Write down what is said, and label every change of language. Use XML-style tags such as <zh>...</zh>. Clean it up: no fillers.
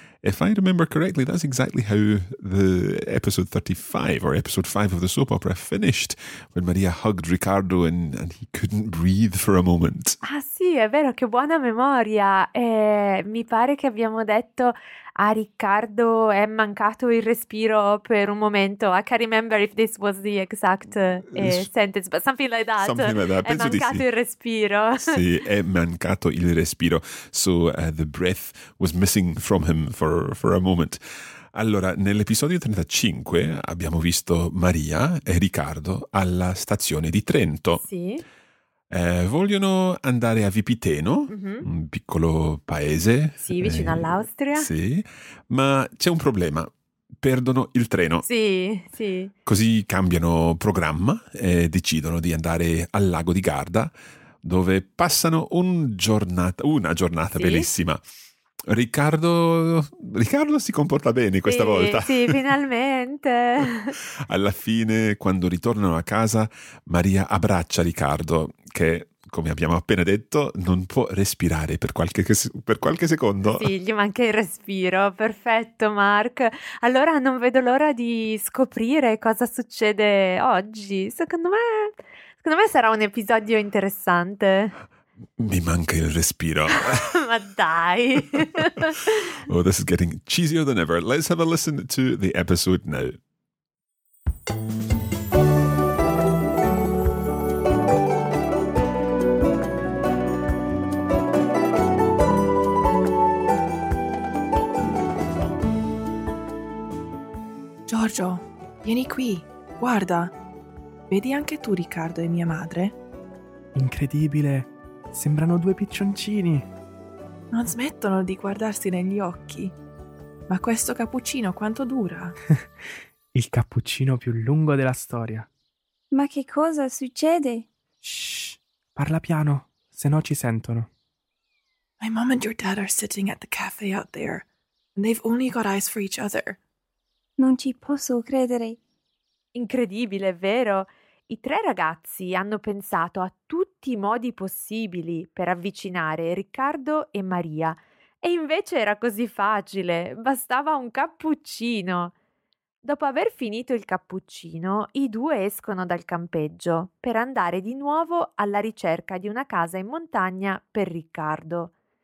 <en>If I remember correctly, that's exactly how the episode 35 or episode 5 of the soap opera finished, when Maria hugged Riccardo and he couldn't breathe for a moment.</en> <it>Ah sì, è vero, che buona memoria. Mi pare che abbiamo detto a Riccardo è mancato il respiro per un momento.</it> <en>I can't remember if this was the exact sentence, but something like that. Something like that.</en> <it>È mancato il respiro. Sì, è mancato il respiro.</it> <en>So the breath was missing from him for a moment.</en> <it>Allora, nell'episodio 35 abbiamo visto Maria e Riccardo alla stazione di Trento. Sì. Vogliono andare a Vipiteno, mm-hmm. un piccolo paese. Sì, vicino all'Austria. Sì, ma c'è un problema. Perdono il treno. Sì, sì. Così cambiano programma e decidono di andare al lago di Garda, dove passano una giornata sì. Bellissima. Riccardo si comporta bene questa sì, volta. Sì, finalmente. Alla fine, quando ritornano a casa, Maria abbraccia Riccardo, che, come abbiamo appena detto, non può respirare per qualche secondo. Sì, gli manca il respiro. Perfetto, Mark. Allora non vedo l'ora di scoprire cosa succede oggi. Secondo me sarà un episodio interessante. Mi manca il respiro. Ma dai!</it> <en>Oh, this is getting cheesier than ever. Let's have a listen to the episode now.</en> <it>Giorgio, vieni qui. Guarda. Vedi anche tu Riccardo e mia madre? Incredibile! Sembrano due piccioncini. Non smettono di guardarsi negli occhi. Ma questo cappuccino quanto dura? Il cappuccino più lungo della storia. Ma che cosa succede? Shh, parla piano, se no ci sentono.</it> <en>My mom and your dad are sitting at the cafe out there. And they've only got eyes for each other.</en> <it>Non ci posso credere. Incredibile, vero? I tre ragazzi hanno pensato a tutti i modi possibili per avvicinare Riccardo e Maria. E invece era così facile, bastava un cappuccino. Dopo aver finito il cappuccino, i due escono dal campeggio per andare di nuovo alla ricerca di una casa in montagna per Riccardo.</it>